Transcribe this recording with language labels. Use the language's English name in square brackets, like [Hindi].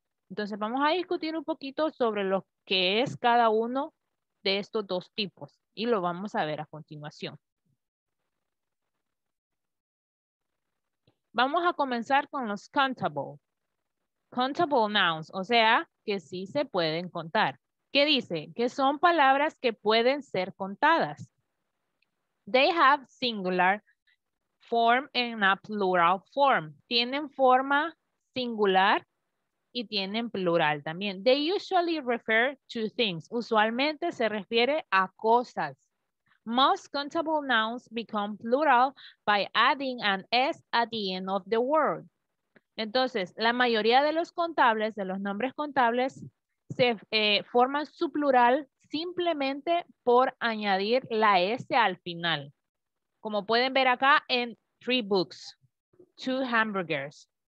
[Spanish] Entonces vamos a discutir un poquito sobre lo que es cada uno de estos dos tipos y lo vamos a ver a continuación. Vamos a comenzar con los countable nouns, o sea, que sí se pueden contar. ¿Qué dice? Que son palabras que pueden ser contadas. [English] They have singular form and a plural form. [Spanish] Tienen forma singular y tienen plural también. [English] They usually refer to things. [Spanish] Usualmente se refiere a cosas. [English] Most countable nouns become plural by adding an S at the end of the word. [Spanish] Entonces, la mayoría de los contables, de los nombres contables, se forman su plural simplemente por añadir la S al final. Como pueden ver acá en 3 books, 2 hamburgers.